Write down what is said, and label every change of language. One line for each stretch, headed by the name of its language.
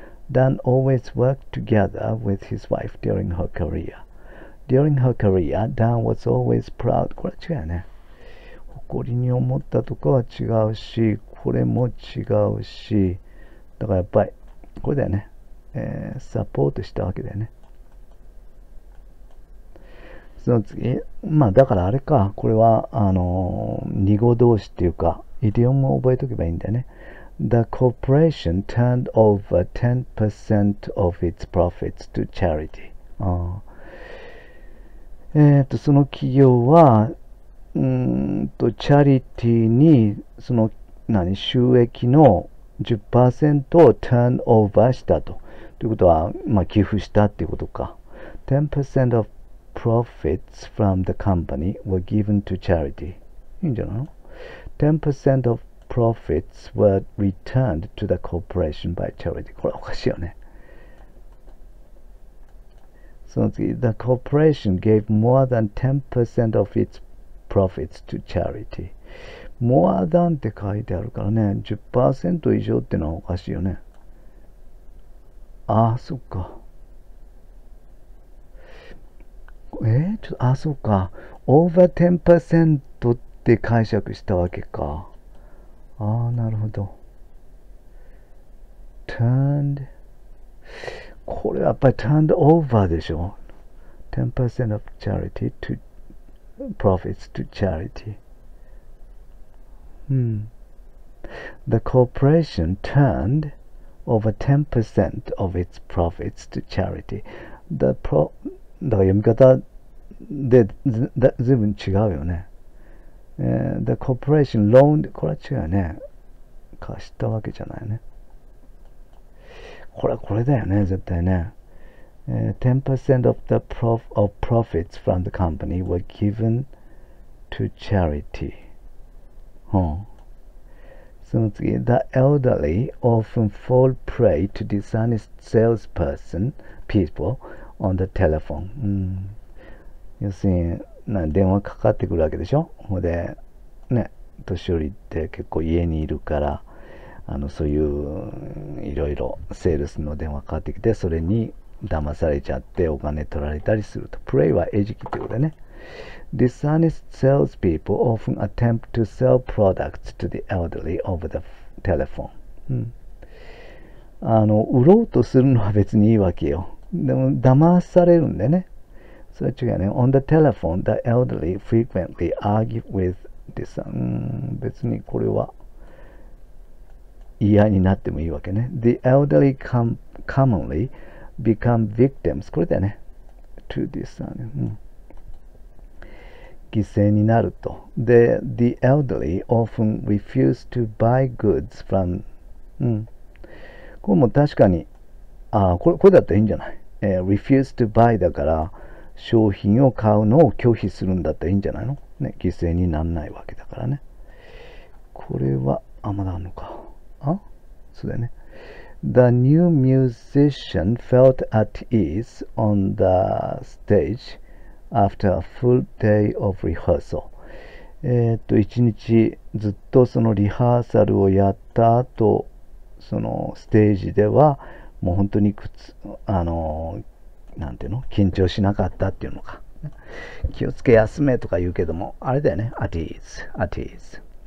English: Dan always worked together with his wife during her career. During her career, Dan was always proud.
Japanese: これは違うね。誇りに思ったとかは違うし、これも違うし、だからやっぱり、これだよね。サポートしたわけだよね。その次、まあだからあれか、これは、二語動詞っていうか、イディオムを覚えとけばいいんだよね。
English: The corporation turned over 10% of its profits to charity.
Japanese: その企業は、チャリティに、収益の10%を
English: turn over
Japanese: したと。ということは、まあ、寄付したということか。
English: 10% of profits from the company were given to charity.
Japanese: いいんじゃないの？
English: 10% of profits were returned to the corporation by charity.
Japanese: これはおかしいよね。その次、
English: The corporation gave more than 10% of its profits to charity.
Japanese: More than って書いてあるからね、10%以上ってのはおかしいよね。ああ、そっか。ちょっと、ああ、そっか。Over 10%って解釈したわけか。ああ、なるほど。 Turned。 これはやっぱり
English: turned over
Japanese: でしょ。
English: 10% of charity to profits to charity。 The corporation turned over 10% of its profits to charity.
Japanese: だから読み方で随分違うよね。
English: The corporation loaned、
Japanese: これは違うね。貸したわけじゃないね。これはこれだよね、絶対ね。
English: 10% of the prof of profits from the company were given to charity.
Japanese: その次、
English: The elderly often fall prey to dishonest salesperson people on the telephone.
Japanese: 要するに、電話かかってくるわけでしょ。ほんで、ね、年寄りって結構家にいるから、そういういろいろセールスの電話かかってきて、それに騙されちゃってお金取られたりすると。プレイは餌食ってことだね。
English: Dishonest salespeople often attempt to sell products to the elderly over the telephone.
Japanese: 売ろうとするのは別にいいわけよ。でも騙されるんでね。それは違うね。
English: On the telephone, the elderly frequently argue with this.
Japanese: 別にこれは嫌になってもいいわけね。
English: The elderly commonly become victims.
Japanese: これだよね。
English: To this.
Japanese: 犠牲になると。
English: で、the elderly often refuse to buy goods from。
Japanese: これも確かに、これだったらいいんじゃない？
English: refuse to buy
Japanese: だから、商品を買うのを拒否するんだったらいいんじゃないの？ね、犠牲にならないわけだからね。これは、まだあるのか。そうだよね。
English: The new musician felt at ease on the stage after a full day of rehearsal.
Japanese: 一日ずっとそのリハーサルをやった後、そのステージではもう本当にくつ、あの、なんていうの？緊張しなかったっていうのか。気をつけ休めとか言うけども、あれだよね。
English: at ease、at ease。